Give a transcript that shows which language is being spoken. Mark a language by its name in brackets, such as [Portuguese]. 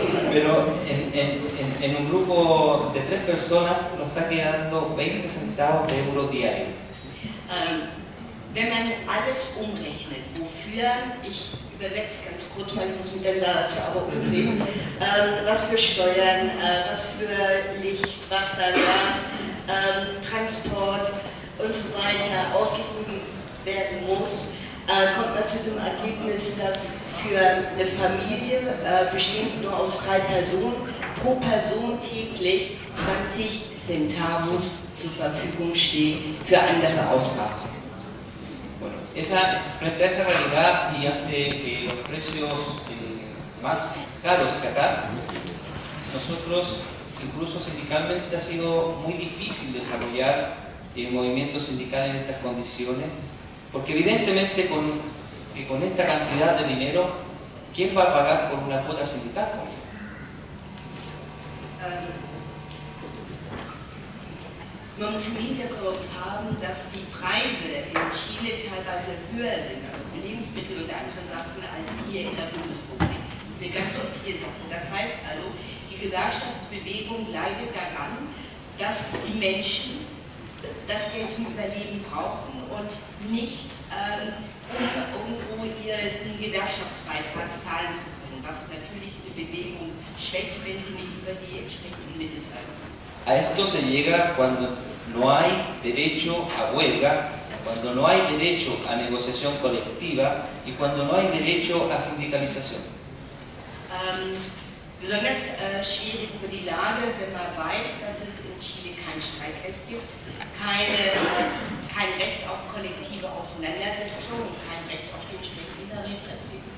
[Spanish] Pero en un grupo de tres personas nos está quedando 20 centavos de euro diario. [German] Wenn man alles umrechnet, wofür, ich übersetze ganz kurz, weil ich muss mit dem Laptop aber umdrehen, was für Steuern, was für Licht, Wasser, Gas, Transport und so weiter ausgegeben werden muss, kommt man zu dem Ergebnis, dass für eine Familie, bestehend nur aus drei Personen, pro Person täglich 20 Centavos zur Verfügung stehen für andere Ausgaben. [Spanish] Esa, frente a esa realidad y ante los precios más caros que acá, nosotros, incluso sindicalmente, ha sido muy difícil desarrollar el movimiento sindical en estas condiciones, porque evidentemente con esta cantidad de dinero, ¿quién va a pagar por una cuota sindical? [German] Man muss im Hinterkopf haben, dass die Preise in Chile teilweise höher sind, also für Lebensmittel und andere Sachen, als hier in der Bundesrepublik. Das sind ganz ordentliche Sachen. Das heißt also, die Gewerkschaftsbewegung leidet daran, dass die Menschen das Geld zum Überleben brauchen und nicht irgendwo ihren Gewerkschaftsbeitrag zahlen zu können, was natürlich die Bewegung schwächt, wenn sie nicht über die entsprechenden Mittel verfügen. [Spanish] A esto se llega cuando no hay derecho a huelga, cuando no hay derecho a negociación colectiva y cuando no hay derecho a sindicalización. [German] Besonders schwierig für die Lage, wenn man weiß, dass es in Chile kein Streikrecht gibt, kein Recht auf kollektive Auseinandersetzung und kein Recht auf den entsprechenden Tarifvertrag.